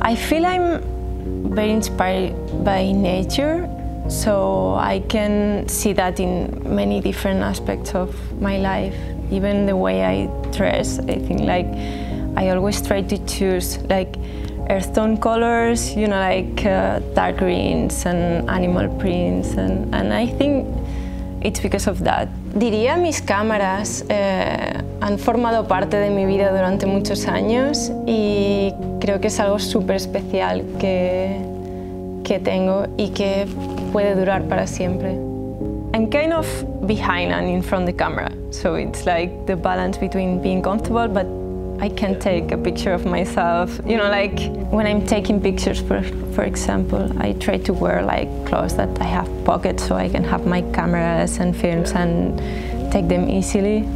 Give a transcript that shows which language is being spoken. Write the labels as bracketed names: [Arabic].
[English] I feel I'm very inspired by nature, so I can see that in many different aspects of my life, even the way I dress. I think, like, I always try to choose like earth tone colors, you know, like dark greens and animal prints, and I think it's because of that. [Spanish] Diría mis cámaras han formado parte de mi vida durante muchos años y creo que es algo súper especial que tengo y que puede durar para siempre. [English] I'm kind of behind and in front of the camera, so it's like the balance between being comfortable, but I can take a picture of myself. You know, like when I'm taking pictures, for example, I try to wear like clothes that I have pockets so I can have my cameras and films and take them easily.